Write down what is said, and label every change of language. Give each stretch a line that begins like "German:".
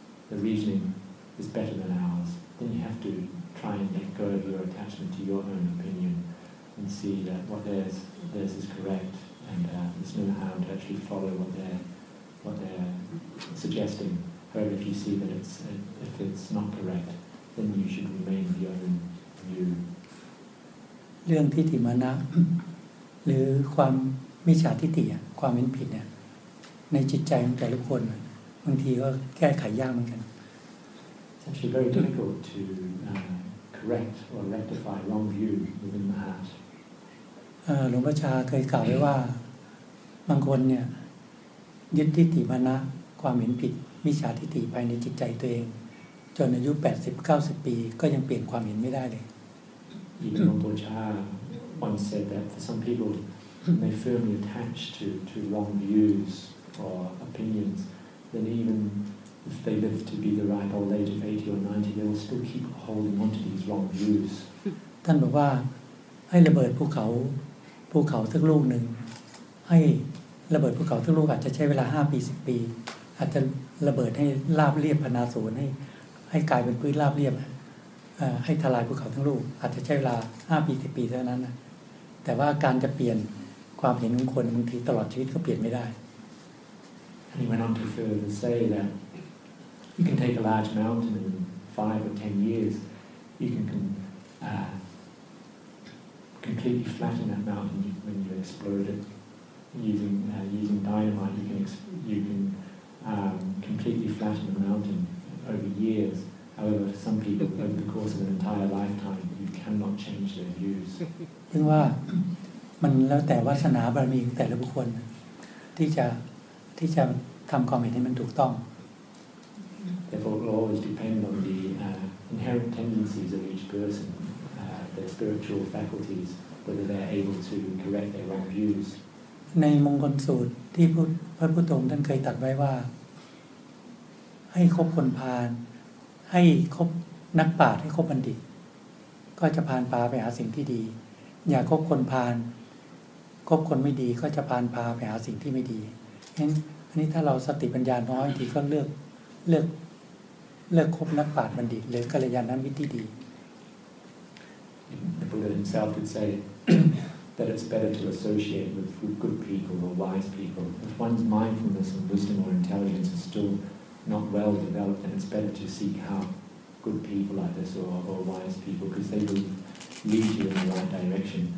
English: the reasoning is better than ours then you have to try and let go of your attachment to your own opinion and see that what theirs is correct and there's no harm to actually follow what they're suggesting. However, if you see that if it's not correct, then you should remain with your own view.
Thai: เรื่องทิฏฐิมานะหรือความมิจฉาทิฏฐิความเห็นผิดเนี่ยในจิตใจของแต่ละคนบางทีก็แก้ไขยากเหมือนกัน
English: It's actually very difficult to correct or rectify wrong view within the heart.
Thai: หลวงพ่อชาเคยกล่าวไว้ว่าบางคนเนี่ยยึดทิฏฐิมานะความเห็นผิดมิจฉาทิฏฐิไปในจิตใจตัวเองจนอายุ80-90ปีก็ยังเปลี่ยนความเห็นไม่ได้เลย
English: Even Lung Po Cha once said that for some people they firmly attach to wrong views or opinions then even if they live to be the ripe old age of 80 or 90 they will still keep holding on to these wrong views
Thai: ท่านบอกว่าให้ระเบิดภูเขาสักลูกหนึ่งให้ระเบิดภูเขาทั้งลูกอาจจะใช้เวลา5-10 ปีอาจจะระเบิดให้ราบเรียบพนาศูนย์ให้กลายเป็นพื้นราบเรียบให้ทลายภูเขาทั้งลูกอาจจะใช้เวลา5-10 ปีเท่านั้นนะแต่ว่าการจะเปลี่ยนความเห็นของคนบางทีตลอดชีวิตก็เปลี่ยนไม่ได้
English: And he went on to further say that you can take a large mountain in 5 or 10 years you can completely flatten that mountain when you explode itusing dynamite you can completely flatten a mountain over years however for some people over the course of an entire lifetime you cannot change their views
Thai: ซึ่งว่ามันแล้วแต่วาสนาบารมีของแต่ละบุคคลที่จะทําความเห็นให้มันถูกต้อง
English: therefore it always depends on the inherent tendencies of each person their spiritual faculties whether they're able to correct their wrong views
Thai: ในมงคลสูตรที่พระพุทธองค์ท่านเคยตรัสไว้ว่าให้คบคนพาลให้คบนักปราชญ์ให้คบบัณฑิตก็จะพาลพาไปหาสิ่งที่ดีอย่าคบคนพาลคบคนไม่ดีก็จะพาลพาไปหาสิ่งที่ไม่ดีงั้นอันนี้ถ้าเราสติปัญญาน้อยทีก็เลือกคบนักปราชญ์บัณฑิตหรือกัลยาณมิตรที่ดี
English: The Buddha himself would saythat it's better to associate with good people or wise people. If one's mindfulness and wisdom or intelligence is still not well developed, then it's better to seek out good people like this or wise people because they will lead you in the right direction.